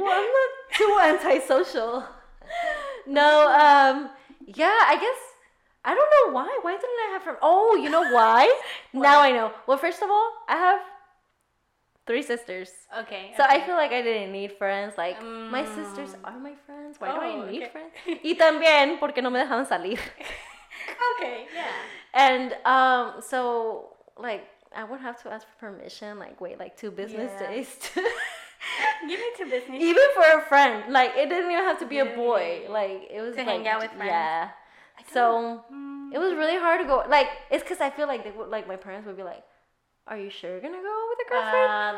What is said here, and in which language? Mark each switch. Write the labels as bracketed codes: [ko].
[en] Well, I'm not too antisocial. No, yeah, I guess... I don't know why. Why didn't I have friends? Oh, you know why? Now I know. Well, first of all, I have three sisters. Okay. So okay. I feel like I didn't need friends. Like, my sisters are my friends. Why do I need friends? [es] Y también porque no me dejaban salir. [en] Okay, yeah. And so, like, I would have to ask for permission, like, wait, like, two business days to... Give me two business days. Even for a friend. Like, it didn't even have to be a boy. Like, it was, to like... To hang out with friends. Yeah. So, it was really hard to go, like, it's because I feel like they would, like, my parents would be like, are you sure you're going to go with a girlfriend?